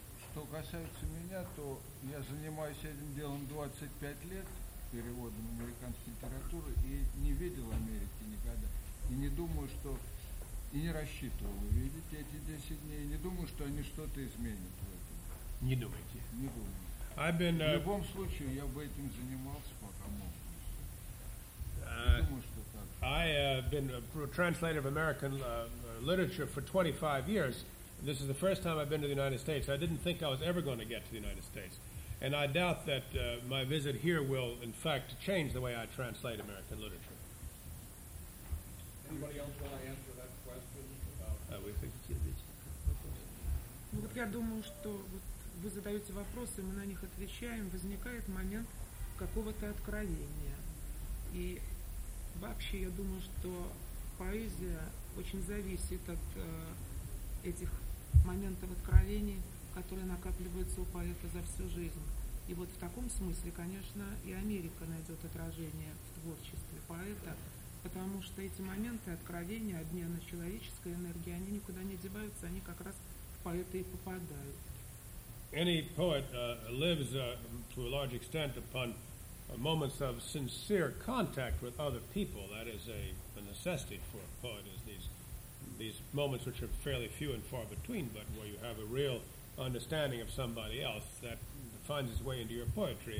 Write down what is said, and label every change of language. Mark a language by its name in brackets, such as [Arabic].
[Russian] Что касается меня, то я занимаюсь этим делом 25 лет, переводом американской литературы, и не видел Америки никогда. И не думаю, что... И не рассчитывал увидеть эти 10 дней. Не думаю, что они что-то изменят в этом. Не думайте. Не думаю. В любом случае, я бы этим занимался, пока мог. Не думаю, что так. [English] I have been a translator of American literature for 25 years. This is the first time I've been to the United States. I didn't think I was ever going to get to the United States. And I doubt that my visit here will, in fact, change the way I translate American literature. Anybody else want to answer that question? [Russian] Ну вот я думаю, что вот вы задаете вопросы, мы на них отвечаем, возникает момент какого-то откровения. И вообще я думаю, что поэзия очень зависит от этих моментов откровений, которые накапливаются у поэта за всю жизнь. И вот в таком смысле, конечно, и Америка найдет отражение в творчестве поэта, потому что эти моменты откровения, обмена человеческой энергии, они никуда не деваются, они как раз в поэта и попадают. [English] Any poet lives to a large extent upon moments of sincere contact with other people. That is a necessity for a poet, is these moments which are fairly few and far between, but where you have a real understanding of somebody else that finds its way into your poetry.